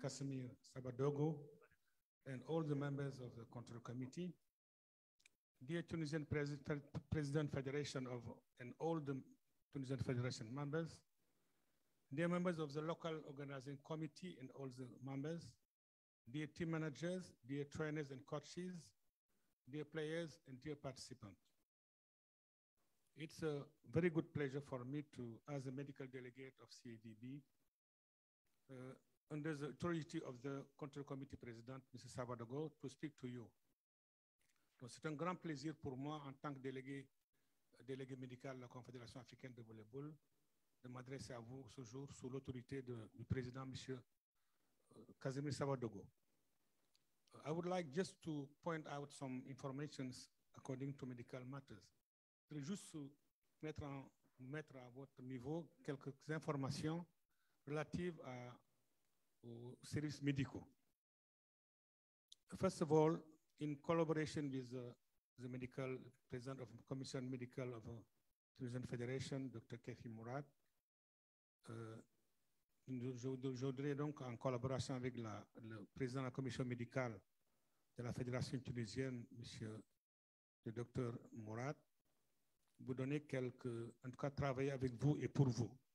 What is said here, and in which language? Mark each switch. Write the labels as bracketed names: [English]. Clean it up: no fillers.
[English] Casimir Sabadogo, and all the members of the control committee, dear Tunisian President Federation of and all the Tunisian Federation members, dear members of the local organizing committee and all the members, dear team managers, dear trainers and coaches, dear players and dear participants. It's a very good pleasure for me to, as a medical delegate of CADB, under the authority of the Control Committee President, Mr. Sabadogo, to speak to you. [French] C'est un grand plaisir pour moi, en tant que délégué médical de la Confédération africaine de volleyball, de m'adresser à vous ce jour sous l'autorité du président, Monsieur Casimir Sabadogo. [English] I would like just to point out some informations according to medical matters. [French] Je voudrais juste mettre à votre niveau quelques informations relatives à aux services médicaux. [English] First of all, in collaboration with the medical president of Commission Medical of Tunisian Federation, Dr. [French] Kefi Mourad, je voudrais donc, en collaboration avec le président de la Commission médicale de la Fédération tunisienne, le Dr. Mourad, vous donner quelques, en tout cas, travailler avec vous et pour vous.